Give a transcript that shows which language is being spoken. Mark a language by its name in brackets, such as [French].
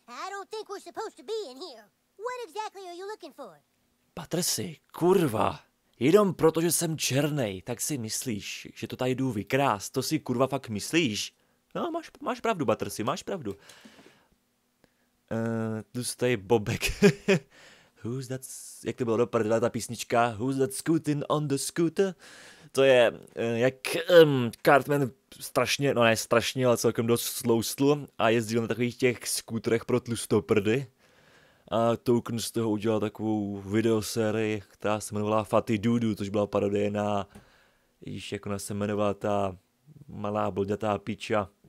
[English] I don't think we're supposed to be in here. What exactly are you looking for? [Czech] Patrsy, kurva. Jenom proto, že jsem černej, tak si myslíš, že to tady jdu vykrást. To si kurva fakt myslíš? No, máš pravdu, Patrsy, máš pravdu. Tlustej bobek. [English] Who's that... [Czech] Jak to bylo do prdele ta písnička? [English] Who's that scootin' on the scooter? [Czech] To je, jak Cartman strašně, no ne strašně, ale celkem dost sloustl a jezdil na takových těch skútrech pro tlustoprdy. A Token z toho udělal takovou videosérii, která se jmenovala Fatty Doodoo, což byla parodie na, již jak ona se jmenovala, ta malá blďatá piča.